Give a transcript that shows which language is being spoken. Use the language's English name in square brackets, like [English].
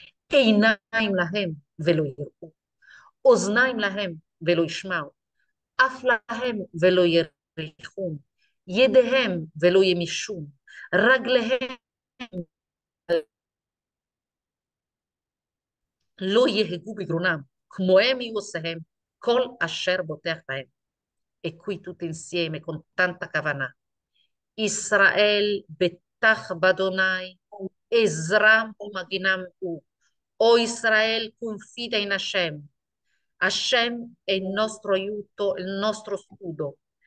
[Hebrew] עיניים להם ולא יראו, אוזניים להם ולא ישמעו, אף להם ולא יריחום, ידיהם ולא ימישום, רגליהם לא יהגו בגרונם, כמוהם יהיו עושיהם, כל אשר בוטח בהם. [Italian] E qui tutti insieme con tanta cavana. [Hebrew] ישראל בטח באדוני, עזרם ומגינם הוא. [Italian] O Israele, confida in Hashem. Hashem è il nostro aiuto, il nostro scudo.